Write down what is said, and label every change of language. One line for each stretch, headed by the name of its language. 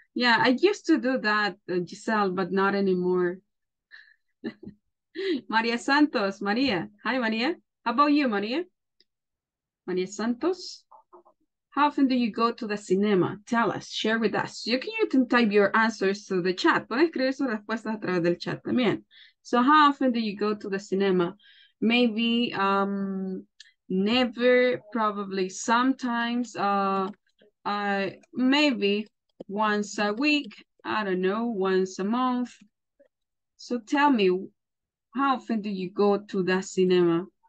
English: Yeah, I used to do that, Giselle, but not anymore. Maria Santos, Maria. Hi, Maria. How about you, Maria? Maria Santos? How often do you go to the cinema? Tell us, share with us. You can type your answers to the chat.
Spanish: Puedes escribir sus respuestas a través del chat también.
English: So how often do you go to the cinema? Maybe, never, probably sometimes, maybe once a week, I don't know, once a month. So tell me, how often do you go to the cinema?